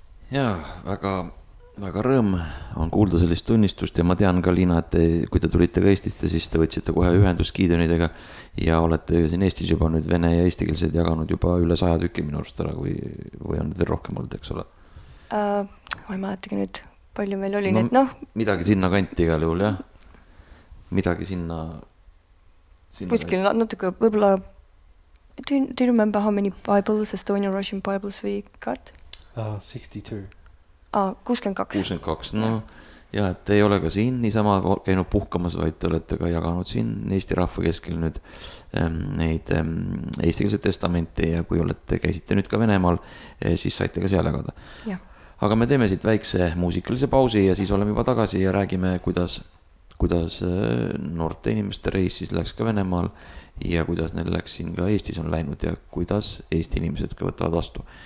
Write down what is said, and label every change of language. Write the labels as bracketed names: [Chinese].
[Estonian] Ja väga rõõm on kuulda sellist tunnistust ja ma tean ka, Liina, et kui te tulite ka Eestiste, siis te võtsite kohe ühendus Gideonidega ja olete siin Eestis juba nüüd vene ja eestikeelsed jaganud juba üle 100 tükki minu arust ära, või on need rohkem olnud, eks ole? Ma ei mäletagi nüüd, palju meil oli need, noh. Midagi sinna kanti igal juhul, jah? Midagi sinna... Puskil natuke võibolla... [English] Do you remember how many Bibles, Estonian Russian Bibles we got? 62. [Estonian] 62. No, ja et ei ole ka siin niisama käinud puhkamas, vaid te olete ka jaganud siin Eesti rahva keskel nüüd neid eestikese testamente ja kui olete käisite nüüd ka Venemaal, siis saite ka seal jagada. Ja. Aga me teeme siit väikse muusikalise pausi ja siis oleme juba tagasi ja räägime, kuidas noorte inimeste reis siis läks ka Venemaal ja kuidas neil läks siin ka Eestis on läinud ja kuidas Eesti inimesed ka võtavad vastu.